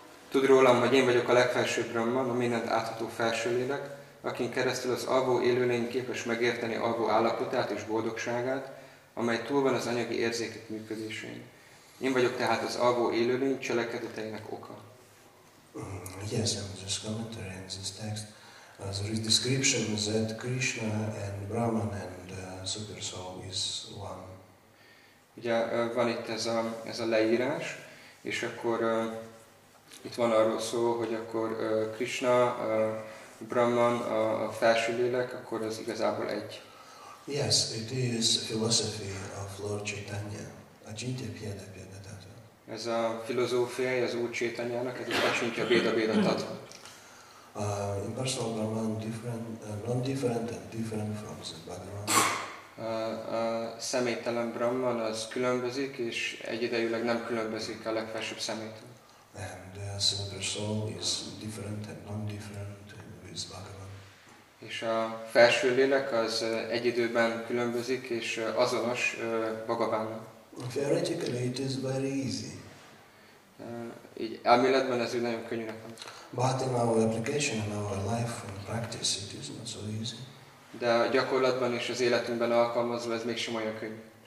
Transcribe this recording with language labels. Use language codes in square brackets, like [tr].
[hu] Tud rólam, hogy én vagyok a legfelsőbb Brahman, a mindent átható felső lélek, akin keresztül az alvó élőlény képes megérteni alvó állapotát és boldogságát, amely túl van az anyagi érzékek működésén. Én vagyok tehát az alvó élőlény cselekedeteinek oka. [en] Yes, I'm just commenting this text. There is description that Krishna and Brahman and Super Soul is one. [hu] Ugye van itt ez a leírás, és akkor itt van arról szó, hogy akkor Krishna, Brahman, a felső lélek, akkor az igazából egy. [en] Yes, it is philosophy of Lord Chaitanya. Ajintya Bheda Bheda Tattva. [hu] Ez a filozófiai az Úr Chaitanyának, ez az Ajintya Bheda Bheda Tattva. [en] Impersonal Brahman different, non-different and different from the Bhagavan. [hu] A személytelen Brahman az különbözik, és egyidejűleg nem különbözik a legfelsőbb személytől. [en] And the super soul is different and non-different with Bhagavan. [hu] És a felső lélek az egy időben különbözik és azonos Bhagavannal. [en] Theoretically, it is very easy. [hu] Elméletben ez nagyon könnyűnek van. [en] But in our application, in our life, in practice, it is not so easy. [hu] De a gyakorlatban és az életünkben alkalmazva ez mégsem olyan könnyű.